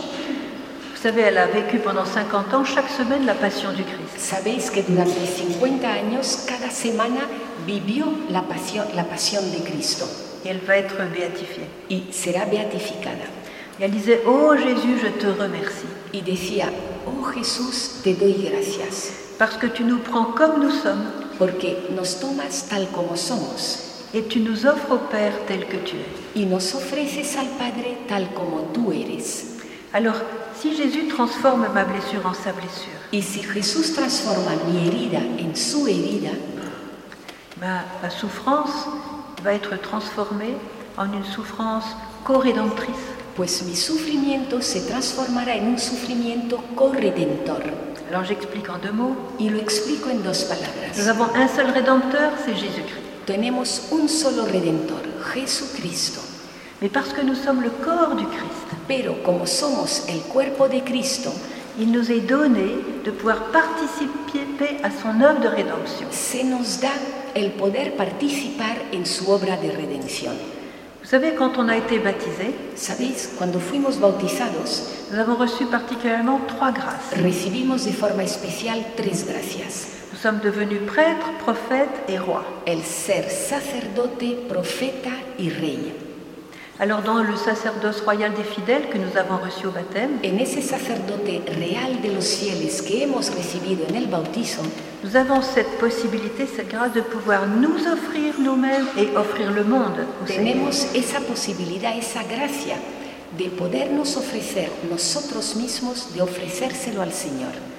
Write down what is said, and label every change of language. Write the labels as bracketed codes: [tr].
[fr] Vous savez, elle a vécu pendant 50 ans chaque semaine la passion du Christ. [es] Sabéis que durante 50 años cada semana vivió la pasión de Cristo. [fr] Y elle va être béatifiée. [es] Y será beatificada. [fr] Y elle disait, oh Jésus, je te remercie. [es] Y decía, oh Jesús, te doy gracias. [fr] Parce que tu nous prends comme nous sommes. [es] Porque nos tomas tal como somos. [fr] Et tu nous offres au Père tel que tu es. [es] Y nos ofreces al Padre tal como tú eres. [fr] Alors, si Jésus transforme ma blessure en sa blessure. [es] Y si Jesús transforma mi herida en su herida. [fr] Ma souffrance va être transformée en une souffrance co-rédemptrice. [es] Pues mi sufrimiento se transformará en un sufrimiento co-redentor. [fr] Alors j'explique en deux mots. [es] Y lo explico en dos palabras. [fr] Nous avons un seul rédempteur, c'est Jésus-Christ. [es] Tenemos un solo redentor, Jesucristo. [fr] Mais parce que nous sommes le corps du Christ. [es] Pero como somos el cuerpo de Cristo, [fr] il nous est donné de pouvoir participer à son œuvre de rédemption. [es] Se nos da el poder participar en su obra de redención. [fr] Vous savez, quand on a été baptisé, [es] sabéis, cuando fuimos bautizados, [fr] nous avons reçu particulièrement trois grâces. [es] Recibimos de forma especial tres gracias. [fr] Nous sommes devenus prêtres, prophètes et rois. [es] El ser sacerdote, profeta y rey. [fr] Alors dans le sacerdoce royal des fidèles que nous avons reçu au baptême, [es] en ese sacerdote real de los fieles que hemos recibido en el bautizo, [fr] nous avons cette possibilité, cette grâce de pouvoir nous offrir nous-mêmes et offrir le monde. [es] Tenemos esa posibilidad, esa gracia de podernos ofrecer nosotros mismos, de ofrecérselo al Señor.